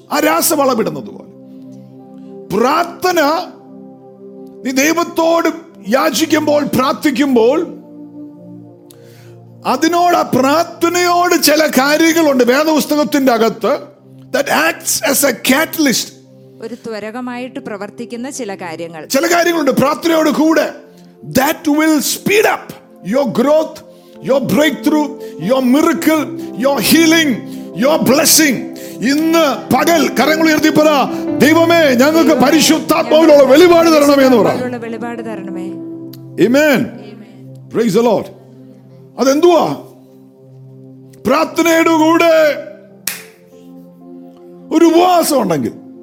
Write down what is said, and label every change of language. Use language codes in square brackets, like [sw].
[ml] ആ രാസവളമിടുന്നത് പോലെ പ്രാർത്ഥന, നീ ദൈവത്തോട് യാചിക്കുമ്പോൾ പ്രാർത്ഥിക്കുമ്പോൾ അതിനോട് ആ പ്രാർത്ഥനയോട് ചില കാര്യങ്ങളുണ്ട്. വേദപുസ്തകത്തിന്റെ അകത്ത് [en] that acts as a catalyst. [ml] ഒരു ത്വരകമായിട്ട് പ്രവർത്തിക്കുന്ന ചില കാര്യങ്ങൾ ഉണ്ട് പ്രാർത്ഥനയോട് കൂടെ. [en] That will speed up your growth, your breakthrough, your miracle, your healing, your blessing. [ml] ഇന്ന് പകൽ കരങ്ങൾ ഉയർത്തി പറ ദൈവമേ ഞങ്ങൾക്ക് പരിശുദ്ധാത്മാവിലുള്ള വെളിപാട് തരണമേ എന്ന് പറ. [en] Amen. Praise the Lord. [ml] അതെന്തുവാ പ്രാർത്ഥനയുടെ കൂടെ ഒരു ഉപവാസം ഉണ്ടെങ്കിൽ.